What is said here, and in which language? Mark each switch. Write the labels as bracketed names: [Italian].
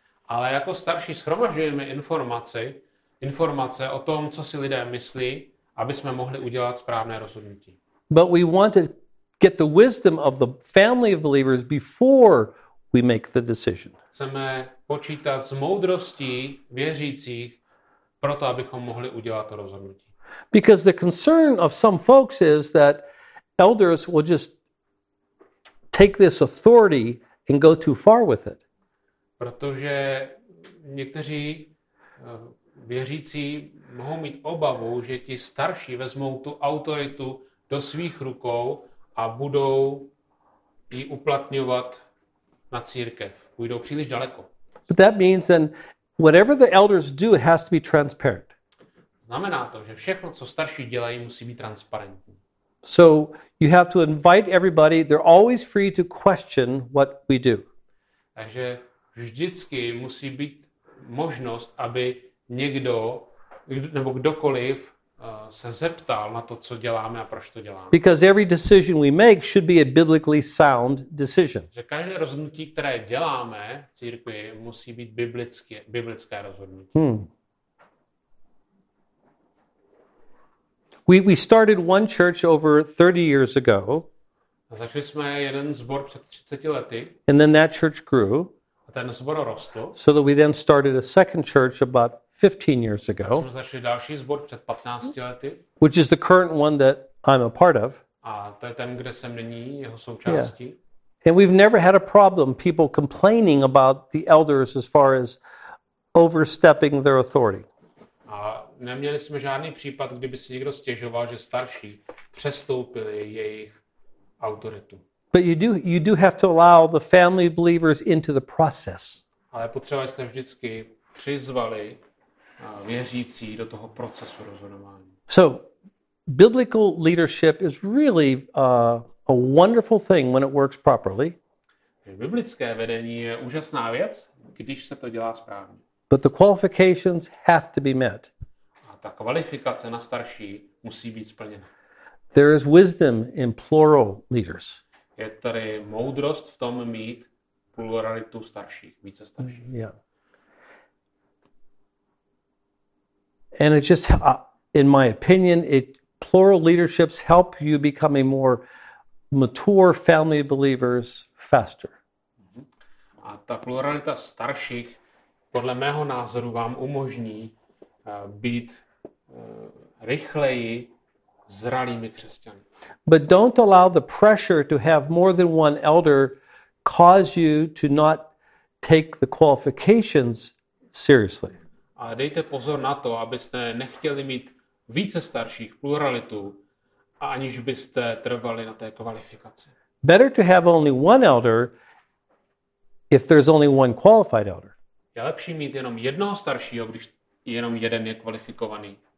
[Czech] Ale jako starší shromažďujeme informace o tom, co si lidé myslí, aby jsme mohli udělat správné rozhodnutí. [English] But we want to get the wisdom of the family of believers before we make the decision. [Czech] Chceme počítat s moudrostí věřících proto, abychom mohli udělat to rozhodnutí. [English] Because the concern of some folks is that elders will just take this authority and go too far with it. [Czech] Protože někteří věřící mohou mít obavu, že ti starší vezmou tu autoritu do svých rukou a budou ji uplatňovat na církev. Půjdou příliš daleko. [English] But that means then whatever the elders do, it has to be transparent. [Czech] Znamená to, že všechno, co starší dělají, musí být transparentní. [English] So you have to invite everybody. They're always free to question what we do. [Czech] Takže vždycky musí být možnost, aby někdo nebo kdokoliv se zeptal na to, co děláme a proč to děláme. [English] Because every decision we make should be a biblically sound decision. [Czech] Že každé rozhodnutí, které děláme v církvi, musí být biblické rozhodnutí. Hmm. [English] We started one church over 30 years ago. [Czech] Začali jsme jeden sbor před 30 lety. [English] And then that church grew. [Czech] A ten sbor rostl. [English] So that we then started a second church about 15 years ago. [Czech] Jsme začali další sbor před 15 lety. [English] Which is the current one that I'm a part of. [Czech] A to je ten, kde jsem nyní, jeho součástí. [English] Yeah. And we've never had a problem people complaining about the elders as far as overstepping their authority. [Czech] Neměli jsme žádný případ, kdyby si někdo stěžoval, že starší přestoupili jejich autoritu. [English] But you do have to allow the family of believers into the process. [Czech] Ale potřeba jste vždycky přizvali věřící do toho procesu rozhodování. [English] So biblical leadership is really a wonderful thing when it works properly. [Czech] Biblické vedení je úžasná věc, když se to dělá správně. [English] But the qualifications have to be met. [Czech] Ta kvalifikace na starší musí být splněna. [English] There is wisdom in plural leaders. [Czech] Je tady moudrost v tom mít pluralitu starších, více starších. [English] Yeah. And it just in my opinion, it plural leaderships help you become a more mature family believers faster. [Czech] A ta pluralita starších podle mého názoru vám umožní být rychleji zralými křesťany. [English] But don't allow the pressure to have more than one elder cause you to not take the qualifications seriously. [Czech] A dejte pozor na to, abyste nechtěli mít více starších pluralitu, aniž byste trvali na té kvalifikaci. [English] Better to have only one elder if there's only one qualified elder. [Czech] Je lepší mít jenom jednoho staršího, když jenom jeden je kvalifikovaný.